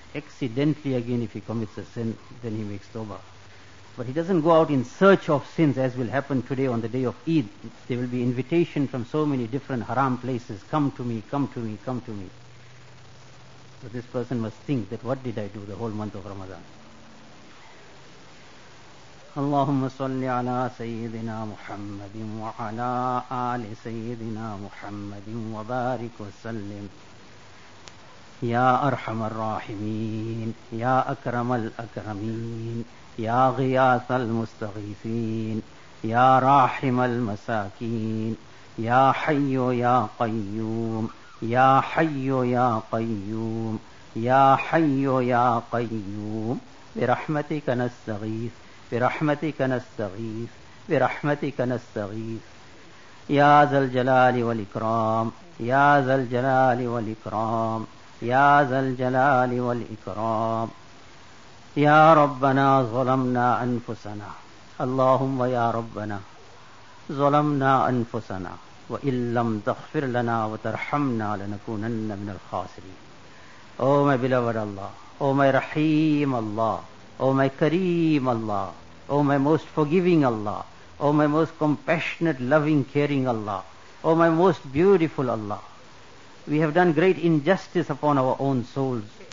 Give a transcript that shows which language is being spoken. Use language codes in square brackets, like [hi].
[en] Accidentally again, if he commits a sin, then he makes tawbah. But he doesn't go out in search of sins, as will happen today on the day of Eid. There will be invitation from so many different haram places, come to me, come to me, come to me. So this person must think that, what did I do the whole month of Ramadan? [ar] اللهم صل على سيدنا محمد وعلى آل سيدنا محمد وبارك وسلم يا أرحم الراحمين يا أكرم الأكرمين يا غياث المستغيثين يا راحم المساكين يا حي يا قيوم يا حي يا قيوم يا حي يا قيوم برحمتك نستغيث برحمتك نستغيث برحمتك نستغيث يا ذا الجلال والإكرام يا ذا الجلال والإكرام يا ذا الجلال والإكرام يا ربنا ظلمنا أنفسنا اللهم يا ربنا ظلمنا أنفسنا وإن لم تغفر لنا وترحمنا لنكونن من الخاسرين. [en] Oh my beloved Allah, Oh my Rahim Allah, Oh my Kareem Allah, O my most forgiving Allah, O my most compassionate, loving, caring Allah, O my most beautiful Allah, we have done great injustice upon our own souls.